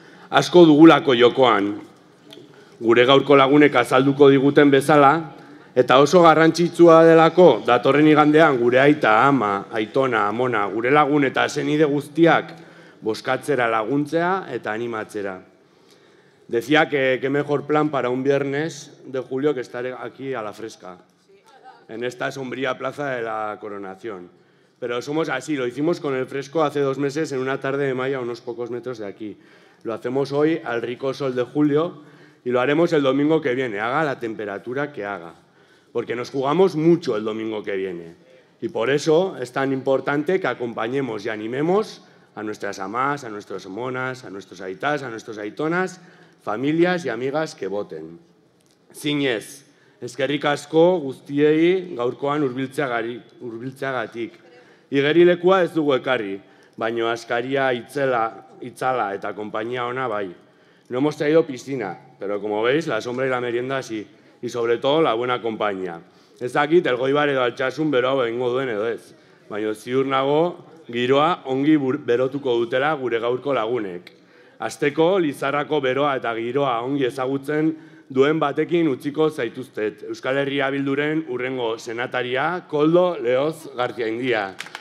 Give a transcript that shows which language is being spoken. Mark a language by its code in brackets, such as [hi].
[eu] Asko dugulako jokoan, gure gaurko lagunek azalduko diguten bezala, eta oso garrantzitsua delako datorren igandean gure aita, ama, aitona, amona, gure lagun eta senide guztiak boskatzera laguntzea eta animatzera. [es] Decía que mejor plan para un viernes de julio que estar aquí a la fresca. En esta sombría plaza de la coronación. Pero somos así, lo hicimos con el fresco hace 2 meses en una tarde de mayo a unos pocos metros de aquí. Lo hacemos hoy al rico sol de julio y lo haremos el domingo que viene, haga la temperatura que haga. Porque nos jugamos mucho el domingo que viene. Y por eso es tan importante que acompañemos y animemos a nuestras amás, a nuestras monas, a nuestros aitás, a nuestros aitonas, familias y amigas que voten. [eu] Zinez. Eskerrik asko guztiei gaurkoan hurbiltzeagatik. Igerilekua ez dugu ekarri, baino askaria itzala eta konpainia ona bai. [es] No hemos traído piscina, pero como veis, la sombra y la merienda sí, y sobre todo la buena compañía. [eu] Ez dakit Elgoibar edo Altsasun beroa egingo duen edo ez, baino ziur nago giroa ongi berotuko dutela gure gaurko lagunek. Asteko Lizarrako beroa eta giroa ongi ezagutzen duen batekin utziko zaituztet, Euskal Herria Bilduren urrengo senataria, Koldo Lehoz Garziaindia.